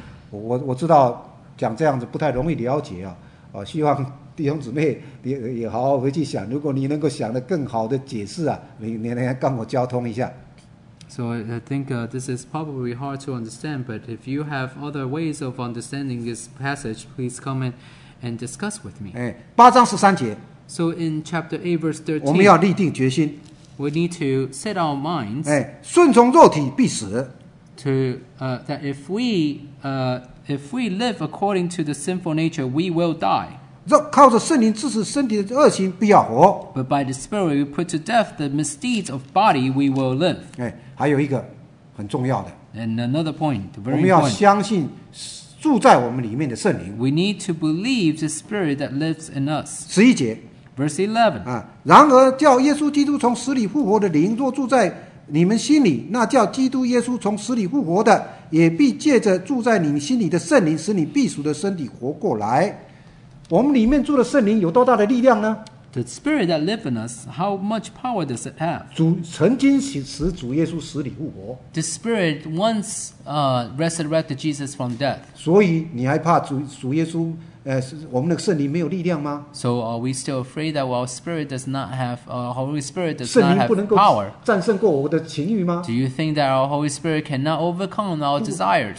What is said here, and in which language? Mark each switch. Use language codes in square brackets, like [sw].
[zh] 我知道讲这样子不太容易了解啊，希望弟兄姊妹也好好回去想，如果你能够想得更好的解释啊，你来跟我交通一下。 [en] So I think this is probably hard to understand, but if you have other ways of understanding this passage, please come and discuss with me. [zh] 八章十三节。 [en] So in chapter 8, verse 13, [zh] 我们要立定决心。 [en] We need to set our minds. [zh] 顺从肉体必死。 [en] That if we live according to the sinful nature, we will die. [zh] 靠着圣灵支持身体的恶行必要活。 [en] But by the Spirit we put to death the misdeeds of body, we will live. [zh] 还有一个很重要的。 [en] And another point, very important. [zh] 我们要相信住在我们里面的圣灵。 [en] We need to believe the Spirit that lives in us. [zh] 十一节。 [en] Verse 11. [zh] 然而叫耶稣基督从死里复活的灵若住在你们心里，那叫基督耶稣从死里复活的，也必借着住在你们心里的圣灵，使你必属的身体活过来。我们里面住的圣灵有多大的力量呢 [en] ？The spirit that lives in us, how much power does it have? [zh] 主曾经使主耶稣死里复活。 [en] The spirit once resurrected Jesus from death. [zh] 所以你还怕主耶稣我们的圣灵没有力量吗 [en] ？So are we still afraid that our spirit does not have Holy Spirit does not [zh] 圣灵不能够战胜过我的情欲吗 [en] ？Do you think that our Holy Spirit cannot overcome our desires?